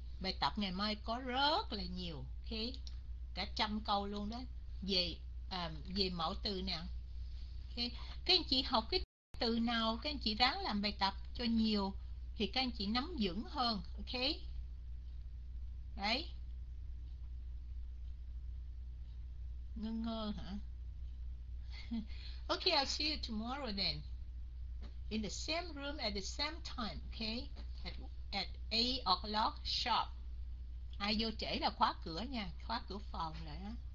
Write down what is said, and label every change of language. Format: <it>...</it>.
<vi>Bài tập ngày mai có rất là nhiều, okay? Cả trăm câu luôn đó, về về mẫu từ nè, okay? Các anh chị học cái từ nào các anh chị ráng làm bài tập cho nhiều thì các anh chị nắm vững hơn, ok? Đấy, ngơ ngơ hả?</vi> <en>Ok, I'll see you tomorrow then. in the same room at the same time, okay? At 8 o'clock sharp.</en> <vi>Ai vô trễ là khóa cửa nha, khóa cửa phòng lại đó.</vi>